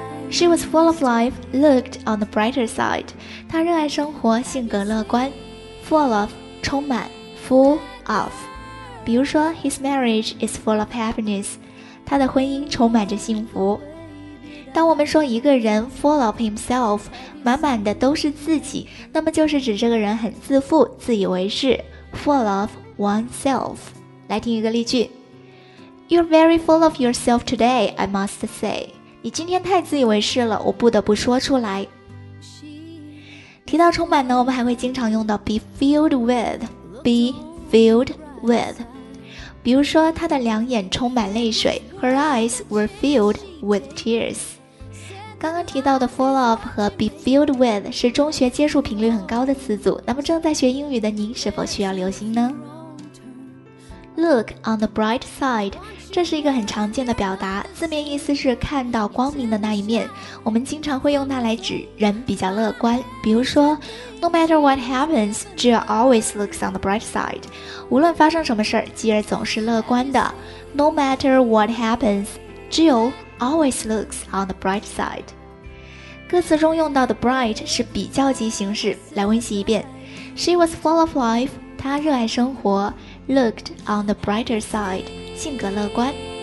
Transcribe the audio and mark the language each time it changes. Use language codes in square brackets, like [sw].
[en] She was full of life, looked on the brighter side. [zh] 她热爱生活，性格乐观。Full of, 充满。Full of. 比如说 [en] His marriage is full of happiness. [zh] 她的婚姻充满着幸福。当我们说一个人 full of himself, 满满的都是自己，那么就是指这个人很自负，自以为是。 Full of oneself. 来听一个例句。 [en] You're very full of yourself today, I must say. [zh] 你今天太自以为是了，我不得不说出来。提到充满呢，我们还会经常用到 be filled with, be filled with, 比如说她的两眼充满泪水， [en] her eyes were filled with tears。 [zh] 刚刚提到的 full of 和 be filled with 是中学接触频率很高的词组，那么正在学英语的您是否需要留心呢？ Look on the bright side, 这是一个很常见的表达，字面意思是看到光明的那一面，我们经常会用它来指人比较乐观，比如说 [en] No matter what happens, Jill always looks on the bright side, [zh] 无论发生什么事儿，吉尔总是乐观的。 [en] No matter what happens, Jill always looks on the bright side. [zh] 歌词中用到的 bright 是比较级形式，来温习一遍。 [en] She was full of life, [zh] 她热爱生活。 [en] Looked on the brighter side, [zh] 性格乐观。